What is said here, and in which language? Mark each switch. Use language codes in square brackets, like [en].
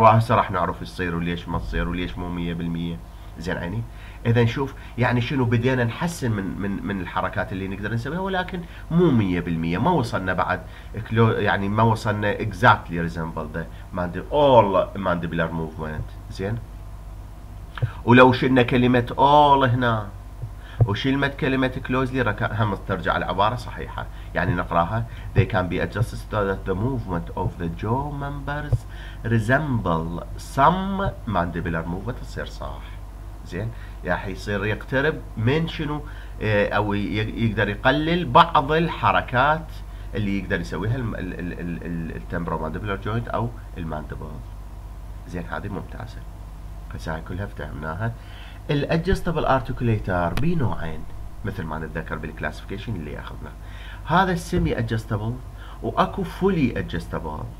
[ar] وهسه راح نعرف يصير وليش ما تصير وليش مو 100%. زين عيني، اذا نشوف يعني شنو بدينا نحسن من من من الحركات اللي نقدر نسويها، ولكن مو 100%، ما وصلنا بعد يعني ما وصلنا اكزاكتلي ريزمبل ذا اول مانديبلر موفمنت. زين، ولو شلنا كلمه اول هنا وشلنا كلمه كلوزلي هم ترجع العباره صحيحه، يعني نقراها: [en] they can be adjusted so that the movement of the jaw members resemble some mandibular movement. [ar] تصير صح. زين، يعني يصير يقترب من شنو، او يقدر يقلل بعض الحركات اللي يقدر يسويها التمبرو ماندبلر جوينت او الماندبل. زين، هذه ممتازه، بس هاي كلها فهمناها. الادجستبل ارتكوليتر بنوعين مثل ما نتذكر بالكلاسيفيكيشن اللي اخذنا، هذا السيمي ادجستبل واكو فولي ادجستبل.